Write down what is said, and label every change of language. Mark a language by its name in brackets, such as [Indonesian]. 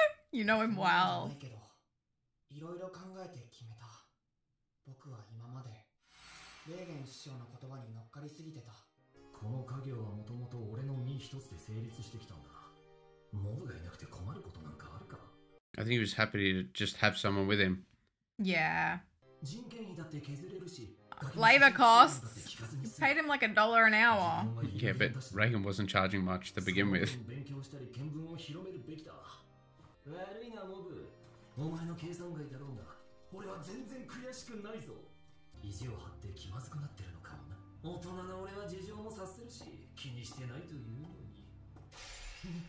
[English] You know him well. [Japanese] いろいろ考えて決めた。僕は今まで、レーゲン師匠の言葉に乗っかりすぎてた。この家業はもともと俺の身一つで成立してきたんだ。モブがいなくて困ることなんかあるか。 [English] I think he was happy to just have someone with him. Yeah. [Japanese] 人件費だって削れるし、 [English] labor costs paid him like a dollar an hour. Yeah, but Reigen wasn't charging much to begin with. [Japanese] 勉強したり見聞を広めるべきだ。悪いなモブ、お前の計算外だろうが、俺は全然悔しくないぞ。意地を張って気まずくなってるのか。大人の俺は事情も察せるし、気にしてないというのに。